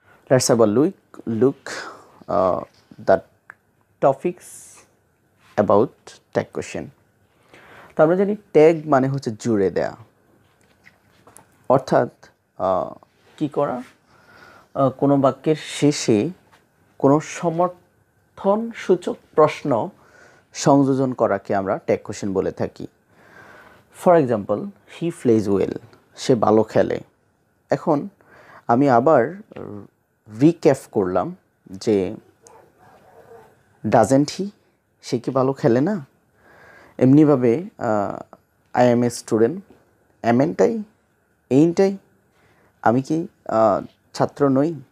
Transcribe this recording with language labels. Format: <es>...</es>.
<en>Let's have a look the topics about tag question.</en> <bn>তারপরে জানি tag মানে হচ্ছে জুড়ে দেয়া, অর্থাৎ কি করা, কোনো বাক্যের শেষে কোনো সমর্থন সূচক প্রশ্ন সংযোজন করাকে আমরা tag question বলে থাকি।</bn> <en>For example, he plays well,</en> <bn>সে ভালো খেলে। এখন আমি আবার রিক্যাপ করলাম যে ডাজেন্ট হি, সে কি ভালো খেলে না? এমনিভাবে আই এম এ স্টুডেন্ট, এমএনটাই, এইনটাই, আমি কি ছাত্র নই?</bn>